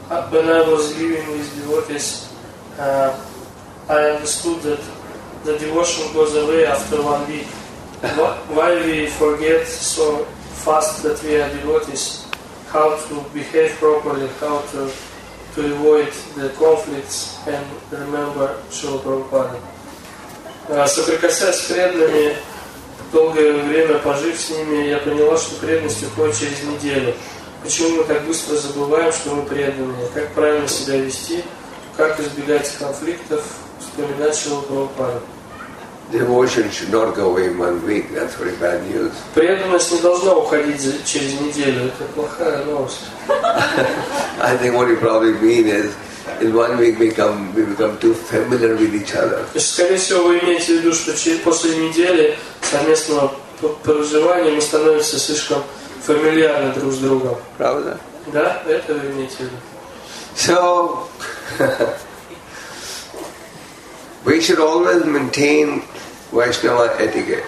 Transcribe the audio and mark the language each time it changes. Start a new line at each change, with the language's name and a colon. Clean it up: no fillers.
English: When I was living with devotees, I understood that the devotion goes away after 1 week. Why we forget so fast that we are devotees? How to behave properly? How to avoid the conflicts and remember Srila Prabhupada?
Russian: Соприкасаясь с преданными, долгое время пожив с ними, я поняла, что преданность уходит через неделю. Почему мы так быстро забываем, что мы преданные? Как правильно себя вести? Как избегать конфликтов, вспоминать Шрилу Прабхупаду?
English: Devotion should not go away in 1 week. That's very bad news.
Russian: Преданность не должна уходить через неделю. Это плохая новость.
English: I think what you probably mean is in 1 week we become too familiar with each other.
Russian: Скорее всего, вы имеете в виду, что после недели совместного проживания мы становимся слишком фамильярны друг с другом. Правда? Да, это вы имеете в виду.
English: So, we should always maintain Vaishnava etiquette.